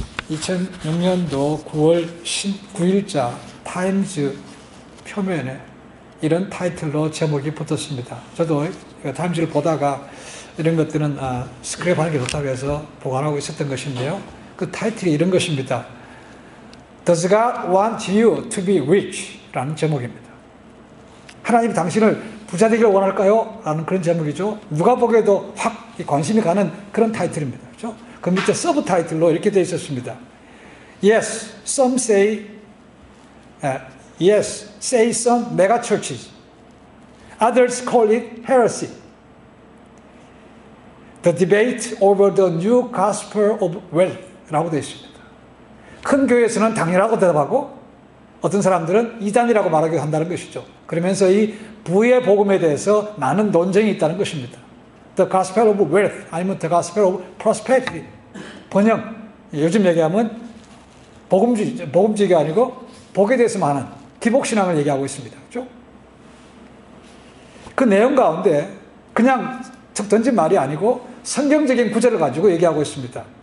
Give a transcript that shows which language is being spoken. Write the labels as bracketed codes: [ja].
[ko] 2006년도 9월 19일자 타임즈 표면에 이런 타이틀로 제목이 붙었습니다. 저도 타임즈를 보다가 이런 것들은 스크랩하는 게 좋다고 해서 보관하고 있었던 것인데요. 그 타이틀이 이런 것입니다. [en] Does God want you to be rich? [ko] 라는 제목입니다. 하나님이 당신을 부자 되기를 원할까요? 라는 그런 제목이죠. 누가 보기에도 확 관심이 가는 그런 타이틀입니다. 그렇죠? 그 밑에 서브 타이틀로 이렇게 되어 있었습니다. [en] Yes, some say, yes, say some mega churches. Others call it heresy. The debate over the new gospel of wealth [ko] 라고 되어 있습니다. 큰 교회에서는 당연하고 대답하고, 어떤 사람들은 이단이라고 말하기도 한다는 것이죠. 그러면서 이 부의 복음에 대해서 많은 논쟁이 있다는 것입니다. [en] The gospel of wealth, [ko] 아니면 [en] the gospel of prosperity. [ko] 번영, 요즘 얘기하면 복음주의가 아니고 복에 대해서 많은 기복신앙을 얘기하고 있습니다. 그렇죠? 그 내용 가운데 그냥 툭 던진 말이 아니고 성경적인 구절을 가지고 얘기하고 있습니다.